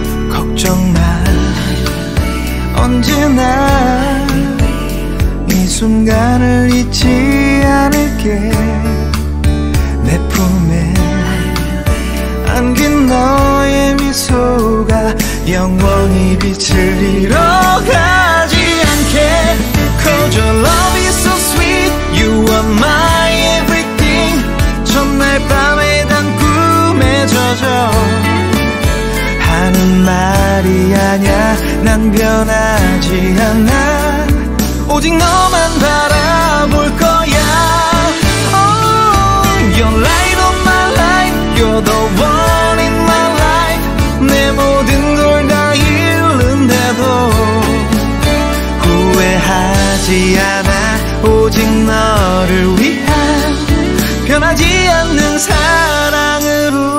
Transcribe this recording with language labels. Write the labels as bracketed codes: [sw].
[ko] 걱정 마, 언제나 이 순간을 잊지 않을게. 내 품에 안긴 너의 미소가 영원히 빛을 잃어가지 않게. [en] 'Cause your love is so sweet, you are my everything. [ko] 첫날 밤에 단 꿈에 젖어 하는 말이 아냐. 난 변하지 않아. 오직 너만 바라볼 거야. [en] Oh, your light of my life, you're the one in my life. [ko] 내 모든 걸 다 잃는데도 후회하지 않아. 오직 너를 위한 변하지 않는 사랑으로.